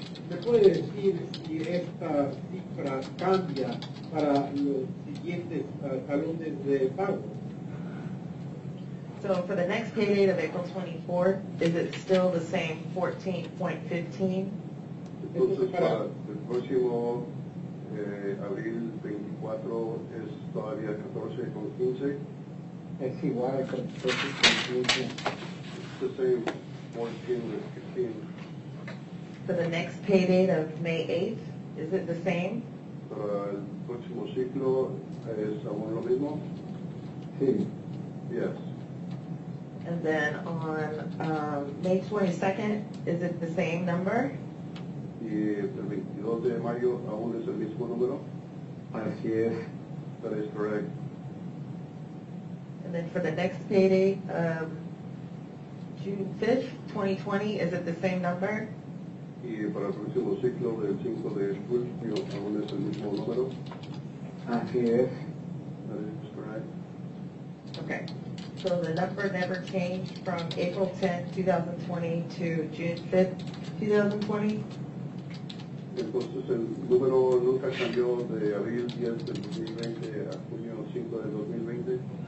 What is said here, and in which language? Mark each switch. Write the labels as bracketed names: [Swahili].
[Spanish] ¿Me puede decir si esta cifra cambia para los siguientes talones de pago? [English] So for the next pay date of April 24, is it still the same 14.15? [Spanish] Entonces para el próximo abril 24 es todavía 14.15. Es igual a 14.15. [English] It's the same 14.15. For the next pay date of May 8th, is it the same? [Spanish] Para el próximo ciclo, ¿es aún lo mismo? Sí. [English] Yes. And then on May 22nd, is it the same number? [Spanish] Y el 22 de mayo, ¿aún es el mismo número? Así es. [English] That is correct. And then for the next pay date of June 5th, 2020, is it the same number? [Spanish] Y para el próximo ciclo del 5 de julio, ¿aún es el mismo número? Así es. [English] That is correct. Okay. So the number never changed from April 10, 2020 to June 5, 2020? [Spanish] Entonces el número nunca cambió de abril 10 de 2020 a junio 5 de 2020?